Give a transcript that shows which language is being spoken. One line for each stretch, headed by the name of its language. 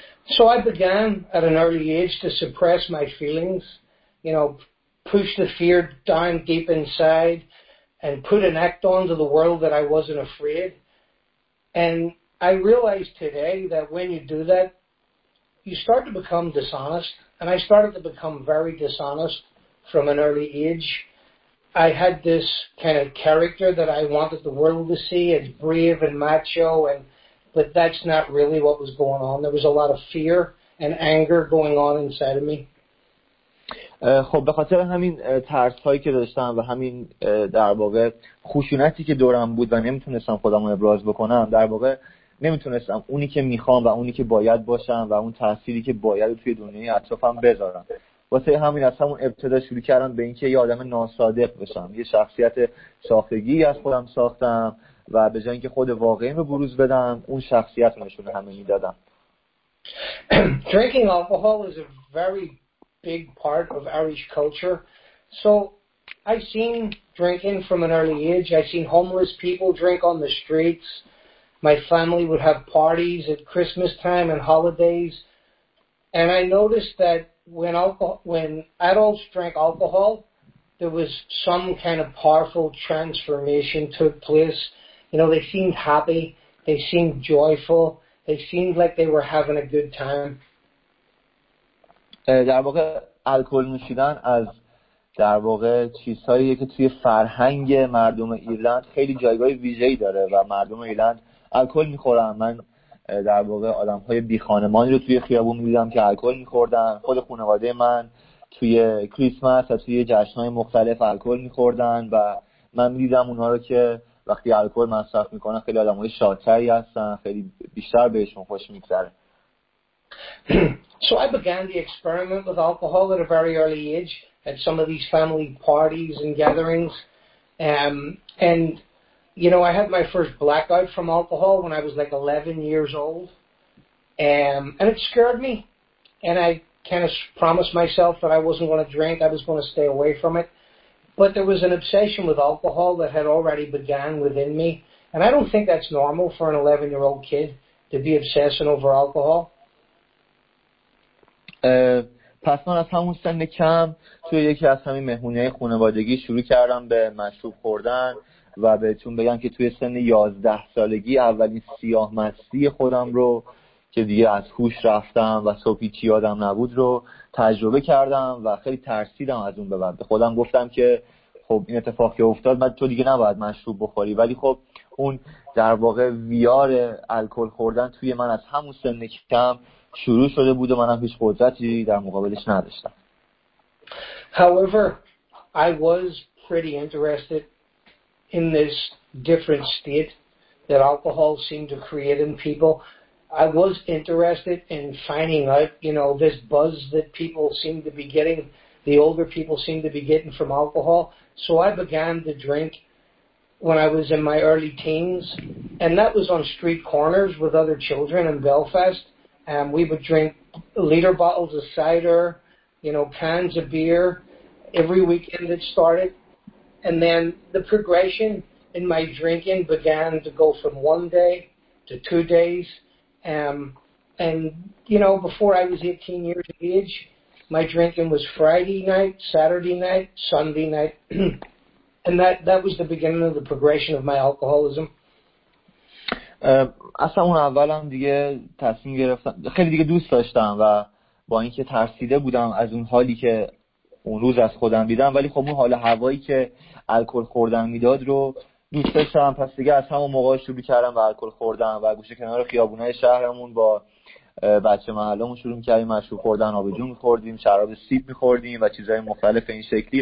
English: So I began at an early age to suppress my feelings, you know, push the fear down deep inside and put an act on to the world that I wasn't afraid. And I realized today that when you do that, you start to become dishonest. And I started to become very dishonest from an early age. I had this kind of character that I wanted the world to see as brave and macho, and but that's not really what was going on. There was a lot of fear and anger going on inside of me.
Persian: خب به خاطر همین ترس هایی که داشتم و همین در واقع خشونتی که دورم بود و نمیتونستم خودم رو ابراز بکنم، در واقع نمیتونستم اونی که میخوام و اونی که باید باشم و اون تأثیری که باید توی دنیای اطرافم بذارم. واسه همین از همون ابتدا شروع کردم به اینکه یه آدم ناصادق بشم، یه شخصیت ساختگی از خودم ساختم و به جای اینکه خود واقعیم رو بروز بدم اون شخصیت رو نشون همه میدادم.
English: Drinking alcohol is a very big part of Irish culture. So I've seen drinking from an early age. I've seen homeless people drink on the streets. My family would have parties at Christmas time and holidays. And I noticed that when adults drank alcohol, there was some kind of powerful transformation took place. You know, they seemed happy. They seemed joyful. They seemed like they were having a good time.
Persian: در واقع الکل نوشیدن از در واقع چیزهایی که توی فرهنگ مردم ایرلند خیلی جایگاه ویژه‌ای داره و مردم ایرلند الکل می‌خورن. من در واقع آدم‌های بی‌خانمانی رو توی خیابون می‌دیدم که الکل می‌خوردن. خود خانواده من توی کریسمس و توی جشن‌های مختلف الکل می‌خوردن و من می‌دیدم اونها رو که وقتی الکل مصرف می‌کنن خیلی آدم‌های شادتری هستن، خیلی بیشتر بهشون خوش می‌گذره.
English: So I began the experiment with alcohol at a very early age at some of these family parties and gatherings. And, you know, I had my first blackout from alcohol when I was like 11 years old. And it scared me. And I kind of promised myself that I wasn't going to drink. I was going to stay away from it. But there was an obsession with alcohol that had already begun within me. And I don't think that's normal for an 11-year-old kid to be obsessing over alcohol. پس من از همون سن کم توی یکی از همین مهمونی‌های خانوادگی شروع کردم به مشروب خوردن و بهتون بگم که توی سن 11 سالگی اولین سیاه مستی خودم رو که دیگه از هوش رفتم و صبحی چی یادم نبود رو تجربه کردم و خیلی ترسیدم از اون بعد. خودم گفتم که خب این اتفاقی افتاد، بعد تو دیگه نباید مشروب بخوری، ولی خب اون در واقع ویار الکل خوردن توی من از همون سن کم شروع شده بود و منم هیچ قدرتی در مقابلش نداشتم. However, I was pretty interested in this different state that alcohol seemed to create in people. I was interested in finding out, you know, this buzz that people seemed to be getting, the older people seemed to be getting from alcohol. So I began to drink when I was in my early teens, and that was on street corners with other children in Belfast. We would drink liter bottles of cider, you know, cans of beer every weekend it started. And then the progression in my drinking began to go from one day to 2 days. And, you know, before I was 18 years of age, my drinking was Friday night, Saturday night, Sunday night. And that was the beginning of the progression of my alcoholism.
Persian: اصلا اون اول هم دیگه تصمیم گرفتم، خیلی دیگه دوست داشتم و با اینکه ترسیده بودم از اون حالی که اون روز از خودم دیدم، ولی خب اون حال هوایی که الکل خوردن میداد رو دوست داشتم. پس دیگه از همون موقع شروع کردم و الکل خوردم و گوشه کنار خیابونای شهرمون با بچه محلمون شروع کردیم مشروب خوردن، آبجو می‌خوردیم، شراب سیب می‌خوردیم و چیزهای مختلف این شکلی.